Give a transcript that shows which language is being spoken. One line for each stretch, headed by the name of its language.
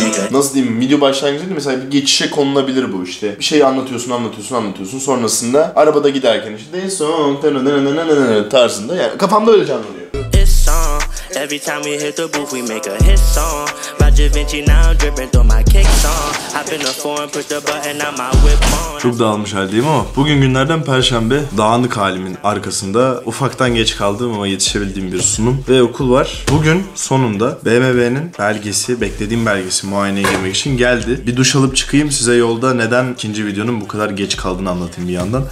Turkish: Nasıl diyeyim? Video başlangıcında mesela bir geçişe konulabilir bu işte. Bir şey anlatıyorsun. Sonrasında arabada giderken işte
English: this song
Turkish: tarzında yani kafamda öyle canlanıyor.
English: Every time we hit the booth, we make a hit song. My DaVinci now dripping through my kick song. Hop in the form, push the button, now my whip on.
Turkish: Çok dağılmış haldeyim ama bugün günlerden Perşembe. Dağınık halimin arkasında ufaktan geç kaldığım ama yetişebildiğim bir sunum ve okul var. Bugün sonunda BMW'nin belgesi, beklediğim belgesi muayeneye girmek için geldi. Bir duş alıp çıkayım size yolda neden ikinci videonun bu kadar geç kaldığını anlatayım bir yandan.